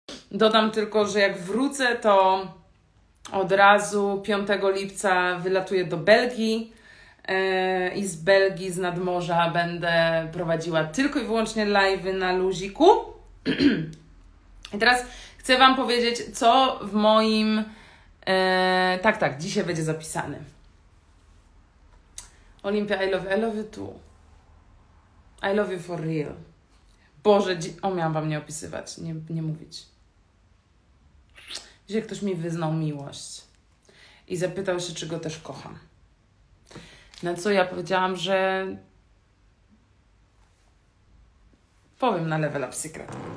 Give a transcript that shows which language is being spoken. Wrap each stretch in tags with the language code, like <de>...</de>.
<pl>Dodam tylko, że jak wrócę, to od razu 5 lipca wylatuję do Belgii i z Belgii, z nadmorza będę prowadziła tylko i wyłącznie live'y na luziku. I teraz chcę Wam powiedzieć, co w moim... Tak, dzisiaj będzie zapisany.</pl> <en>Olimpia, I love you too. I love you for real.</en> <pl>Boże, miałam Wam nie opisywać, nie mówić. Dzisiaj ktoś mi wyznał miłość i zapytał się, czy go też kocham. Na co ja powiedziałam, że powiem na Level Up Secret.</pl>